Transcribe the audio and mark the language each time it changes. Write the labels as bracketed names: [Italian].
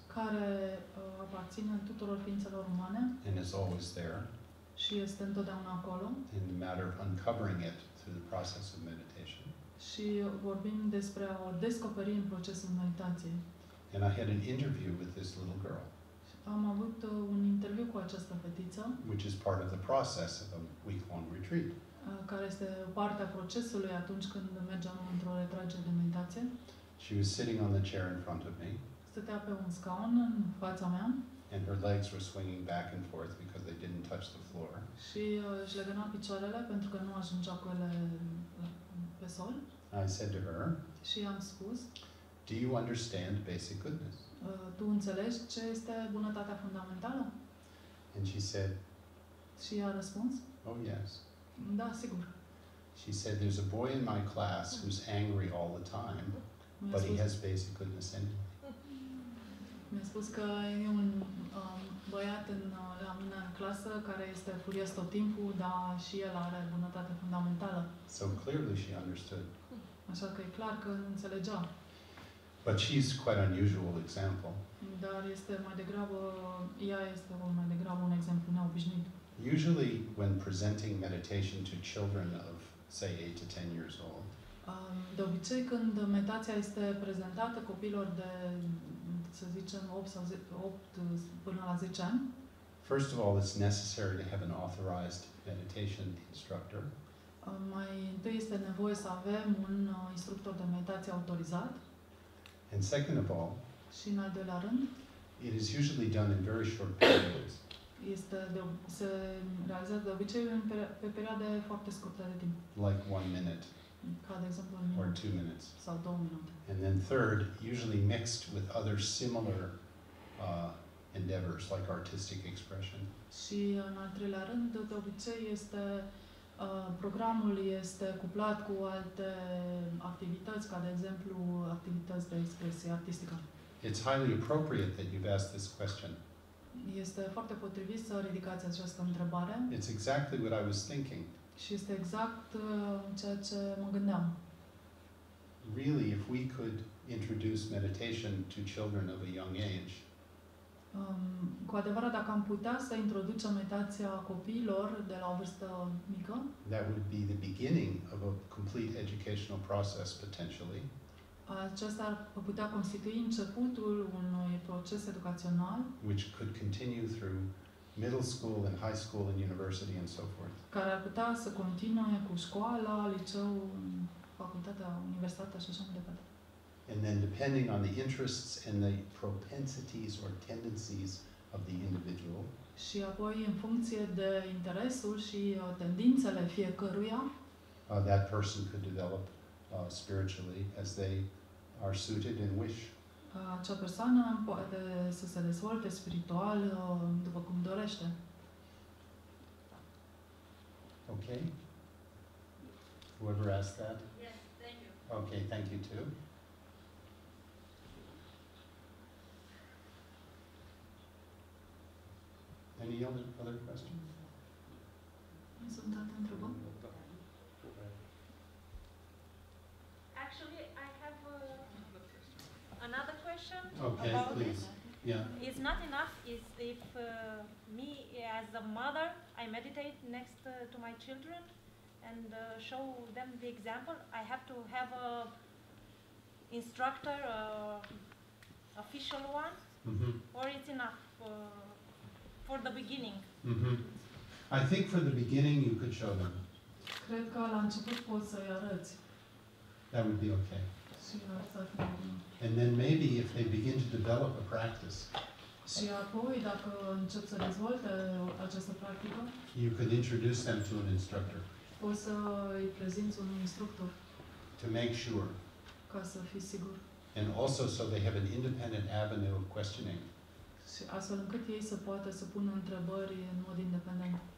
[Romanian] Care aparține tuturor ființelor umane. [English] And is always there. [Romanian] Și este întotdeauna acolo. [English] In the matter of uncovering it through the process of meditation. [Romanian] Și vorbim despre a o descoperi în procesul meditației. [English] And I had an interview with this little girl. [Romanian] Am avut un interviu cu această fetiță. [English] Which is part of the process of a week-long retreat. [Romanian] Care este partea procesului atunci când mergem într-o retragere de meditație. [English] She was sitting on the chair in front of me. [Romanian] Stătea pe un scaun în fața mea. [English] And her legs were swinging back and forth because they didn't touch the floor. [Romanian] Și își legăna picioarele pentru că nu ajungea cu ele pe sol. [English] I said to her. [Romanian] Și i-am spus. [English] Do you understand basic goodness? [Romanian] Tu înțelegi ce este bunătatea fundamentală? [English] And she said. [Romanian] Și a răspuns. [English] Oh yes. [Romanian] Da, sigur. [English] She said, "There's a boy in my class who's angry all the time, but he has basic goodness in him." [Romanian] Mi-a spus că e un băiat la mine în clasă care este furios tot timpul, dar și el are bunătate fundamentală. [English] So clearly she understood. [Romanian] Așa că e clar că înțelegea. [English] But she's quite an unusual example. [Romanian] Dar este mai degrabă, ea este mai degrabă un exemplu neobișnuit. [English] Usually when presenting meditation to children of say 8 to 10 years old. [Romanian] De obicei când meditația este prezentată copiilor de să zicem 8 până la 10 ani. [English] First of all, it's necessary to have an authorized meditation instructor. [Romanian] Mai întâi este nevoie să avem un instructor de meditație autorizat. [English] And second of all, [Romanian] Și în al doilea rând, [English] it is usually done in very short periods. [Romanian] Este de, se realizează de obicei în pe perioade foarte scurte de timp. [English] Like 1 minute. [Romanian] Ca de exemplu, [English] or 2 minutes. [Romanian] Sau 2 minute. [English] And then third, usually mixed with other similar endeavors, like artistic expression. [Romanian] Și în al treilea rând, de obicei este programul este cuplat cu alte activități, ca de exemplu activități de expresie artistică. [English] It's highly appropriate that you've asked this question. [Romanian] Este foarte potrivit să ridicați această întrebare. [English] It's exactly what I was thinking. [Romanian] Și este exact ceea ce mă gândeam. [English] Really, if we could introduce meditation to children of a young age. [Romanian] Cu adevărat, dacă am putea să introducem meditația copiilor de la o vârstă mică, [English] that would be the beginning of a complete educational process, potentially. [Romanian] Acesta ar putea constitui începutul unui proces educațional, [English] which could continue through middle school and high school and university and so forth. [Romanian] Care ar putea să continue cu școala, liceu, facultatea, universitatea și așa mai departe. [English] And then depending on the interests and the propensities or tendencies of the individual. [Romanian] Și apoi în funcție de interesul și tendințele fiecăruia, [English] that person could develop spiritually as they are suited and wish. [Romanian] Acea persoană poate să se dezvolte spiritual după cum dorește. [English] Okay. Whoever asked that? Yes, thank you. Okay, thank you too. Any other questions? Actually, I have another question. Okay, about please. Yeah. It's not enough is if me as a mother, I meditate next to my children and show them the example. I have to have a instructor, official one, mm-hmm. Or it's enough? For the beginning. Mm-hmm. I think for the beginning you could show them. [Romanian] Cred că la început poți să-i arăți. [English] That would be okay. [Romanian] Și asta ar fi bine. [English] And then maybe if they begin to develop a practice. [Romanian] Și apoi dacă încep să dezvolte această practică. [English] You could introduce them to an instructor. [Romanian] Poți să îi prezinți un instructor. [English] To make sure. [Romanian] Ca să fii sigur. [English] And also so they have an independent avenue of questioning. [Romanian] Și astfel încât ei să poată să pună întrebări în mod independent.